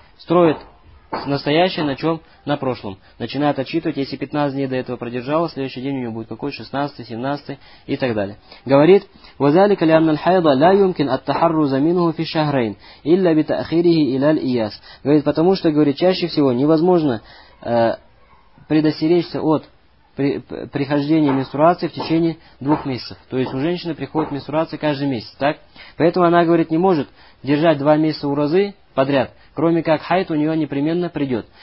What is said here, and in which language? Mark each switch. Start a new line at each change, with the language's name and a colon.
Russian: Строит настоящее на чем? На прошлом. Начинает отчитывать, если 15 дней до этого продержала, следующий день у нее будет какой? 16, 17 и так далее. Говорит,
Arabic: وَذَلِكَ لِأَنَّ الْحَيْضَ لَا يُمْكِنْ أَتَّحَرُّزَ مِنْهُ فِي شَهْرَيْنِ إِلَّا بِتَأْخِرِهِ إِلَى الْإِيَاسِ.
Russian: Говорит, потому что, говорит, чаще всего невозможно предостеречься от прихождения менструации в течение 2 месяцев. То есть у женщины приходит менструация каждый месяц, так? Поэтому она, говорит, не может держать 2 месяца уразы подряд, кроме как хайд у нее непременно придет.